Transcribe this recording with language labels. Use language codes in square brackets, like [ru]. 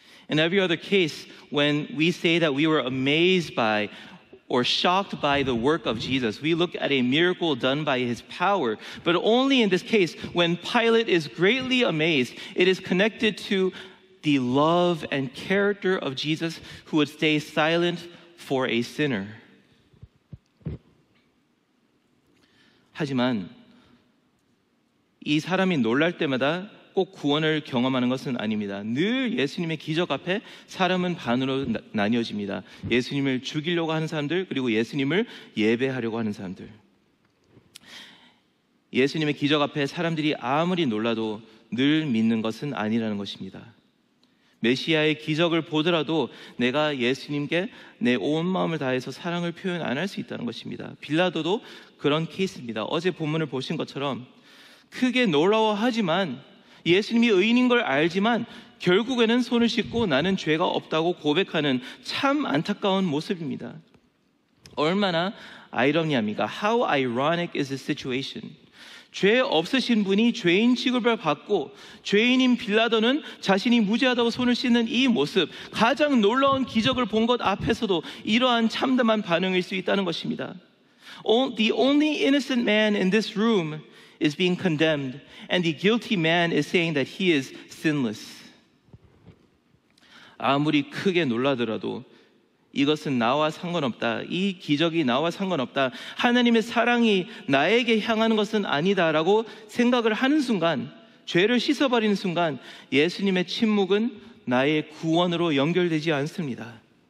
[en] In every other case, when we say that we were amazed by or shocked by the work of Jesus, we look at a miracle done by his power. But only in this case, when Pilate is greatly amazed, it is connected to the love and character of Jesus, who would stay silent for a sinner. [ko] 하지만 이 사람이 놀랄 때마다 꼭 구원을 경험하는 것은 아닙니다. 늘 예수님의 기적 앞에 사람은 반으로 나뉘어집니다. 예수님을 죽이려고 하는 사람들, 그리고 예수님을 예배하려고 하는 사람들. 예수님의 기적 앞에 사람들이 아무리 놀라도 늘 믿는 것은 아니라는 것입니다. 메시아의 기적을 보더라도 내가 예수님께 내 온 마음을 다해서 사랑을 표현 안 할 수 있다는 것입니다. 빌라도도 그런 케이스입니다. 어제 본문을 보신 것처럼 크게 놀라워하지만, 예수님이 의인인 걸 알지만 결국에는 손을 씻고 나는 죄가 없다고 고백하는 참 안타까운 모습입니다. 얼마나 아이러니합니까? [en] How ironic is this situation? [ko] 죄 없으신 분이 죄인 취급을 받고 죄인인 빌라도는 자신이 무죄하다고 손을 씻는 이 모습, 가장 놀라운 기적을 본 것 앞에서도 이러한 참담한 반응일 수 있다는 것입니다. [en] The only innocent man in this room is being condemned, and the guilty man is saying that he is sinless. [ko] 아무리 크게 놀라더라도 이것은 나와 상관없다, 이 기적이 나와 상관없다, 하나님의 사랑이 나에게 향하는 것은 아니다 라고 생각을 하는 순간, 죄를 씻어버리는 순간, 예수님의 침묵은 나의 구원으로 연결되지 않습니다.